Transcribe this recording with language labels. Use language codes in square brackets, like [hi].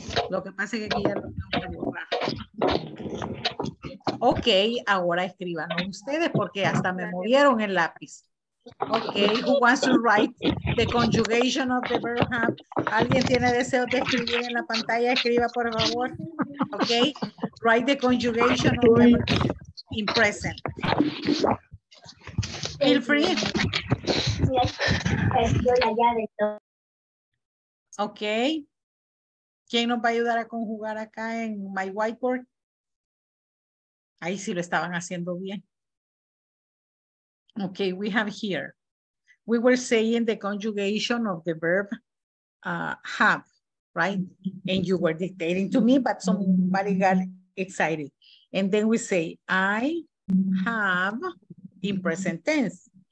[es] Lo que pasa es que aquí ya lo tengo que borrar. Ok, ahora escriban ustedes porque hasta me movieron el lápiz. [en] Ok, who wants to write the conjugation of the verb have? [es] ¿Alguien tiene deseo de escribir en la pantalla? Escriba, por favor. [en] Ok, write the conjugation of the verb in present. Feel free. Yes, [es] yo la llave. [en] Ok. [es] ¿Quién nos va a ayudar a conjugar acá en [en] my whiteboard? [es] Ahí sí lo estaban haciendo bien. [en] Okay, we have here. We were saying the conjugation of the verb have, right? And you were dictating to me, but somebody got excited. And then we say, I have in present tense.